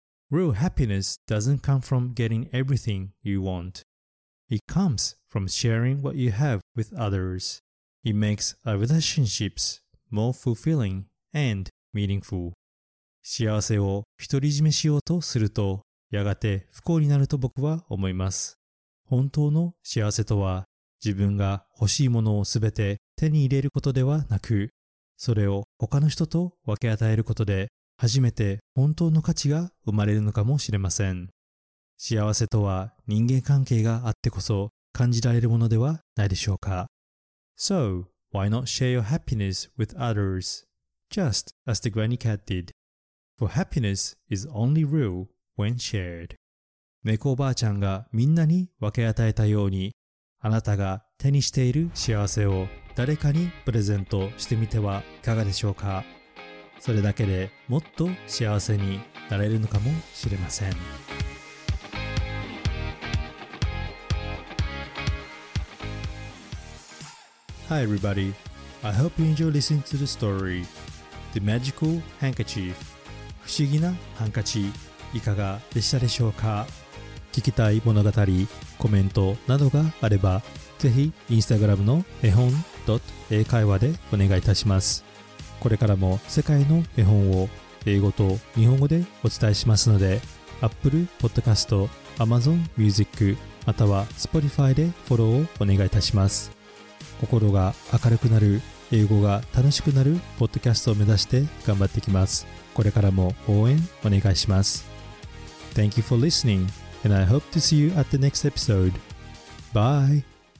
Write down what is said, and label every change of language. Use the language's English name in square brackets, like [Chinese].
[English] Real happiness doesn't come from getting everything you want. It comes from sharing what you have with others. It makes our relationships more fulfilling and meaningful. [Japanese] 幸せを独り占めしようとすると、やがて不幸になると僕は思います。本当の幸せとは、自分が欲しいものをすべて手に入れることではなく、それを他の人と分け与えることで、初めて本当の価値が生まれるのかもしれません。幸せとは人間関係があってこそ感じられるものではないでしょうか。 [English] So, why not share your happiness with others? Just as the granny cat did. For happiness is only real when shared. [Japanese] 猫おばあちゃんがみんなに分け与えたように、あなたが手にしている幸せを誰かにプレゼントしてみてはいかがでしょうか。それだけでもっと幸せになれるのかもしれません。 [English] Hi everybody, I hope you enjoy listening to the story, The Magical Handkerchief. [Japanese] 不思議なハンカチ、いかがでしたでしょうか。聞きたい物語、コメントなどがあれば、ぜひインスタグラムの絵本英会話でお願いいたします。これからも世界の絵本を英語と日本語でお伝えしますので、Apple Podcast、Amazon Music、または Spotify でフォローをお願いいたします。心が明るくなる、英語が楽しくなるポッドキャストを目指して頑張っていきます。これからも応援お願いします。 [English] Thank you for listening, and I hope to see you at the next episode. Bye!